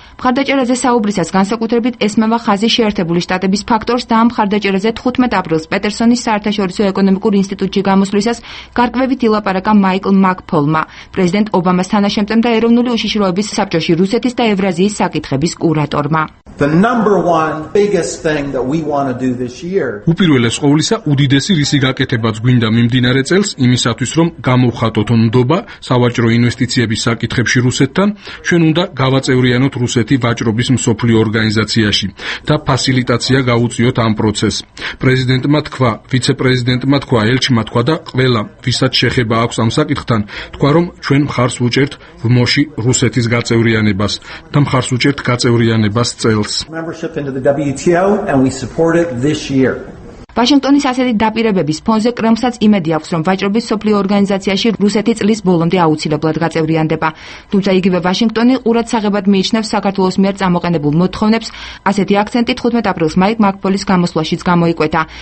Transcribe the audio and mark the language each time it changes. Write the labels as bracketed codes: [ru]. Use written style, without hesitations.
[ka] მხარდაჭერაზე საუბრისას განსაკუთრებით ესმევა ხაზი შეერთებული შტატების ფაქტორს და ამ მხარდაჭერაზე 15 აპრილს პეტერსონის საერთაშორისო ეკონომიკურ ინსტიტუტში გამოსვლისას გარკვევით ილაპარაკა მაიკლ მაკფოლმა, პრეზიდენტ ობამას თანაშემწემ და ეროვნული უშიშროების საბჭოში რუსეთის და ევრაზიის საკითხების კურატორმა. [en] The number one biggest thing that we want to do this year. [ka] უპირველეს ყოვლისა, უდიდესი რისი გაკეთებაც გვინდა მიმდინარე წელს იმისათვის, რომ გამოვხატოთ ნდობა სავაჭრო ინვესტიციების საკითხებში რუსეთთან, ჩვენ უნდა გავაწევრიანოთ რუსეთი ვაჭრობის მსოფლიო ორგანიზაციაში და ფასილიტაცია გაუწიოთ ამ პროცესს. პრეზიდენტმა თქვა, ვიცე-პრეზიდენტმა თქვა, ელჩმა თქვა და ყველა, ვისაც შეხება აქვს ამ საკითხთან, თქვა, რომ ჩვენ მხარს უჭერთ ვმოში რუსეთის გაწევრიანებას და მხარს უჭერთ გაწევრიანებას [en] membership into the WTO and we support it this year. [ka] ვაშინგტონის ასეთი დაპირებების ფონზე კრემსაც იმედი აქვს, რომ ვაჭრობის მსოფლიო ორგანიზაციაში რუსეთი წლის ბოლომდე აუცილებლად გაწევრიანდება. თუმცა იგივე ვაშინგტონი ყურადსაღებად მიიჩნევს საქართველოს მიერ წამოყენებულ მოთხოვნებს, ასეთი აქცენტი 15 აპრილს მაიკ მაკფოლის გამოსვლაშიც გამოიკვეთა.